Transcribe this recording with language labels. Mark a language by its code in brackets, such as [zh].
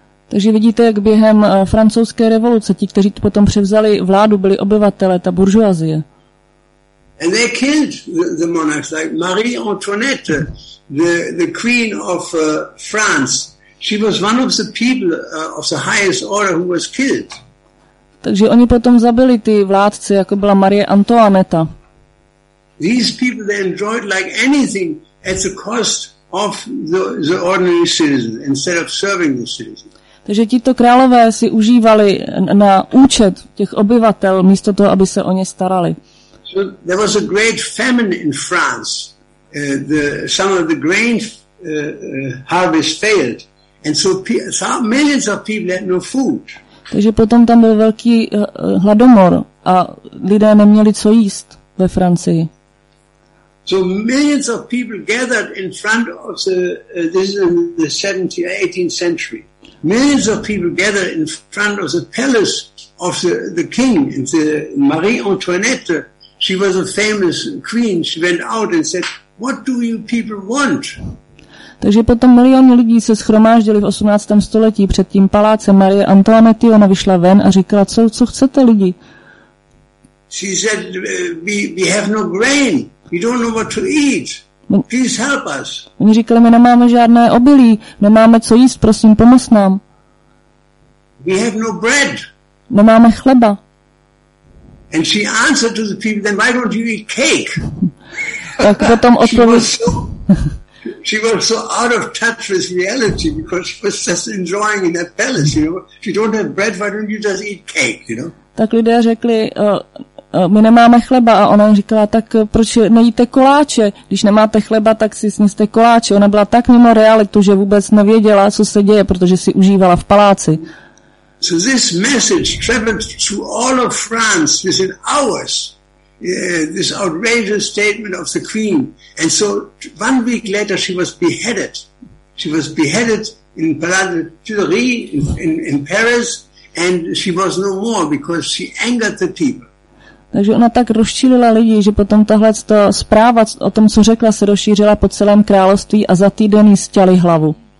[cs] Takže vidíte, jak během francouzské revoluce ti, kteří potom převzali vládu, byli obyvatelé, ta buržoazie. [en] And they killed the monarchs, like Marie Antoinette, the queen of France. She was one of the people of the highest order who was killed. [cs] Takže oni potom zabili ty vládce, jako byla Marie Antoinette. [en] These people they enjoyed like anything at the cost of the ordinary citizen instead of serving the citizen. [cs] Takže tito králové si užívali na účet těch obyvatel, místo toho, aby se o ně starali. [en] So there was a great famine in France. Some of the grain harvest failed. And so millions of people had no food. [cs] Takže potom tam byl velký hladomor a lidé neměli co jíst ve Francii. [en] So millions of people gathered in front of this is in the 17th, 18th century. Millions of people gathered in front of the palace of the king, the Marie Antoinette. She was a famous queen. She went out and said, "What do you people want?" [cs] Takže potom miliony lidí se shromáždili v 18. století před tím palácem Marie Antoinette. Ona vyšla ven a říkala, co chcete lidi? [en] She said, "We have no grain. We don't know what to eat. Please help us." [cs] Oni říkali, my nemáme žádné obilí, nemáme co jíst, prosím, pomoz nám. [en] We have no bread. [cs] Nemáme chleba. [en] And she answered to the people, then why don't you eat cake? [cs] Tak potom odpověděla. [en] she, was so, she was so out of touch with reality because she was just enjoying in that palace, you know. If you don't have bread, why don't you just eat cake, you know? [cs] Tak lidé řekli, my nemáme chleba, a ona říkala, tak proč nejíte koláče? Když nemáte chleba, tak si sníste koláče. Ona byla tak mimo realitu, že vůbec nevěděla, co se děje, protože si užívala v paláci. [en] So this message traveled to all of France within hours. This outrageous statement of the queen. And so 1 week later she was beheaded. She was beheaded in Palais de Tuileries in Paris, and she was no more because she angered the people. [cs] Takže ona tak rozčílila lidi, že potom tahle zpráva o tom, co řekla, se rozšířila po celém království a za týden jí stěli hlavu.